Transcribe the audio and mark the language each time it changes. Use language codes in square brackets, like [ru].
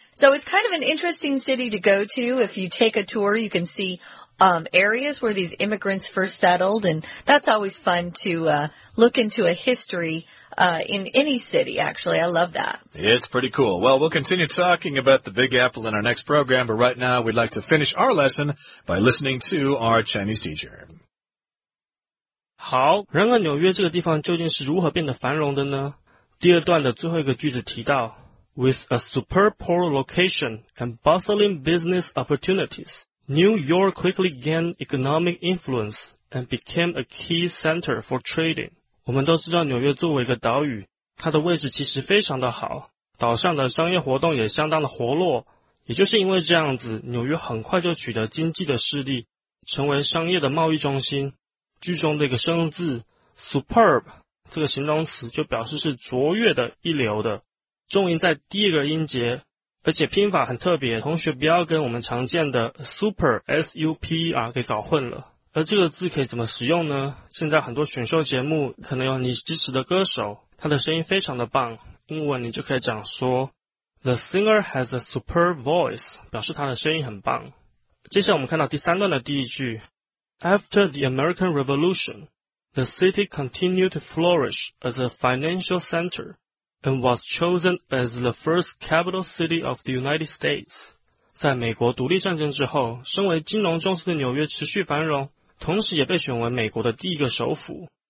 [en] So it's kind of an interesting city to go to. If you take a tour, you can see areas where these immigrants first settled, and that's always fun to look into a history in any city, actually. I love that. It's pretty cool. Well, we'll continue talking about the Big Apple in our next program, but right now we'd like to finish our lesson by listening to our Chinese teacher. [zh] 好，然而纽约这个地方究竟是如何变得繁荣的呢？第二段的最后一个句子提到 [en] With a superb port location and bustling business opportunities, New York quickly gained economic influence and became a key center for trading. [zh] 我们都知道纽约作为一个岛屿，它的位置其实非常的好，岛上的商业活动也相当的活络，也就是因为这样子，纽约很快就取得经济的势力，成为商业的贸易中心。句中的一个生字 superb 这个形容词就表示是卓越的、一流的，重音在第一个音节，而且拼法很特别，同学不要跟我们常见的 super S-U-P-E-R 给搞混了。而这个字可以怎么使用呢？现在很多选秀节目可能有你支持的歌手，他的声音非常的棒，英文你就可以讲说 [en] The singer has a superb voice， [zh] 表示他的声音很棒。接下来我们看到第三段的第一句， [en] After the American Revolution, the city continued to flourish as a financial center and was chosen as the first capital city of the United States. [zh] 在美国独立战争之后，身为金融中心的纽约持续繁荣，同时也被选为美国的第一个首府。